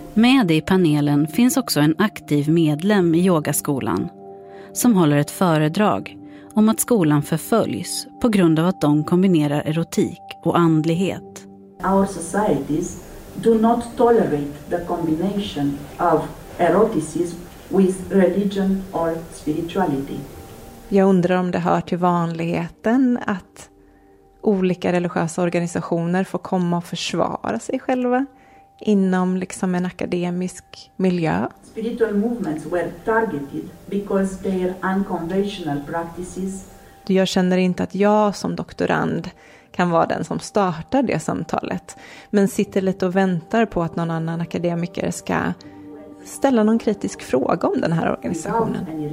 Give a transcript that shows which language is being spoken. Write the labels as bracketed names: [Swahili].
[Swedish] Med i panelen finns också en aktiv medlem i yogaskolan som håller ett föredrag om att skolan förföljs på grund av att de kombinerar erotik och andlighet. [English] Our societies do not tolerate the combination of eroticism with religion or spirituality. [Swedish] Jag undrar om det hör till vanligheten att olika religiösa organisationer får komma och försvara sig själva inom liksom en akademisk miljö. [English] Spiritual movements were targeted because their unconventional practices. [Swedish] Jag känner inte att jag som doktorand kan vara den som startar det samtalet, men sitter lite och väntar på att någon annan akademiker ska ställa någon kritisk fråga om den här organisationen.